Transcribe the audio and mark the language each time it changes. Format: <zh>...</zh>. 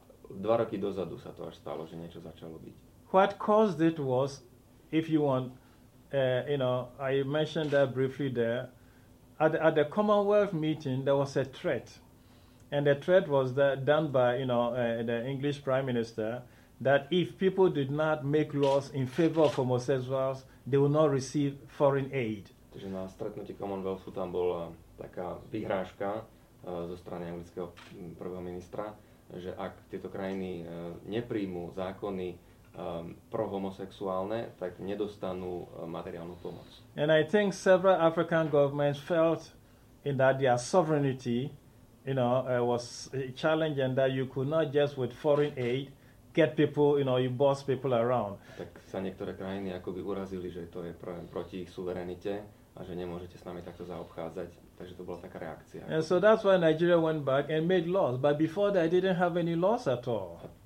<sk>2 roky dozadu sa to až stalo, že niečo začalo byť.</sk> <en>What caused it was, if you want, I mentioned that briefly there, at the Commonwealth meeting, there was a threat. And the threat was that done by, the English Prime Minister, that if people did not make laws in favor of homosexuals, they will not receive foreign aid.</en> <sk>Takže na stretnutí Commonwealthu tam bola taká vyhrážka zo strany anglického prvého ministra, že ak tieto krajiny nepríjmú zákony pro-homosexuálne, tak nedostanú materiálnu pomoc.</sk> <en>And I think several African governments felt in that their sovereignty, was challenged and that you could not just with foreign aid get people, you boss people around.</en> <sk>Tak sa niektoré krajiny akoby urazili, že to je proti ich suverenite a že nemôžete s nami takto zaobchádzať. Takže to bola taká reakcia.</sk> <en>And so that's why Nigeria went back and made laws. But before that, they didn't have any laws at all.</en>